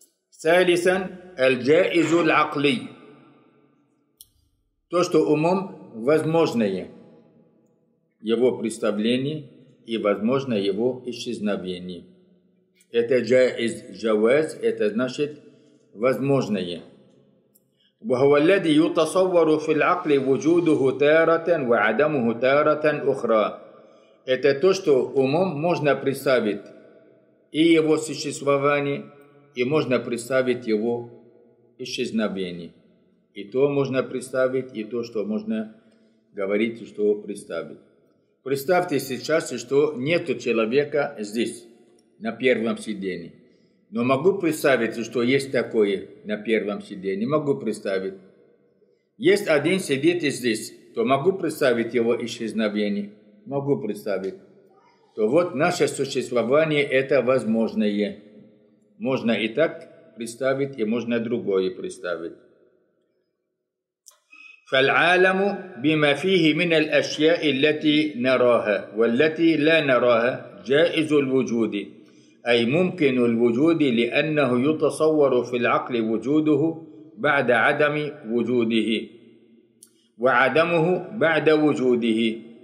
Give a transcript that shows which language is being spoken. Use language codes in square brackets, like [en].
[ar] Салисан аль-джаизу аль-акли. [ru] То, что умом возможное его представление и возможно его исчезновение. это جائز, جواز, это значит возможное. [ar] وهو الذي يتصور في العقل وجوده تارة وعدمه تارة أخرى. [ru] Это то, что умом можно представить и его существование, и можно представить его исчезновение. И то можно представить, и то, что можно говорить, что представить. Представьте сейчас, что нет человека здесь, на первом сидении. Но могу представить, что есть такое на первом сидении. Могу представить. Есть один сидит здесь, то могу представить его исчезновение. Могу представить. То вот наше существование – это возможное. Можно и так представить, и можно другое представить. [ar] فالعالم بما فيه من الأشياء التي نراها والتي لا نراها جائز الوجود أي ممكن الوجود لأنه يتصور في العقل وجوده بعد عدم وجوده وعدمه بعد وجوده